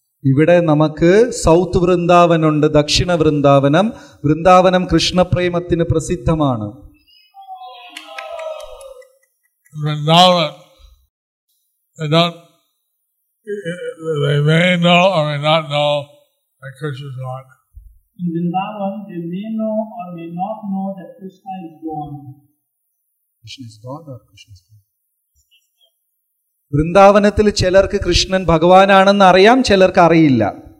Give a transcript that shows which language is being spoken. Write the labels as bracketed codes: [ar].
[ml] ഇവിടെ നമുക്ക് സൗത്ത് വൃന്ദാവൻ ഉണ്ട്, ദക്ഷിണ വൃന്ദാവനം. വൃന്ദാവനം കൃഷ്ണപ്രേമത്തിന് പ്രസിദ്ധമാണ്. [en] Vrindavan, they may know or may not know that Krishna is gone. In Vrindavan, they may know or may not know that Krishna is gone. Krishna is gone or Krishna is gone? [ml] വൃന്ദാവനത്തിൽ ചിലർക്ക് കൃഷ്ണൻ ഭഗവാനാണെന്ന് അറിയാം, ചിലർക്ക് അറിയില്ല.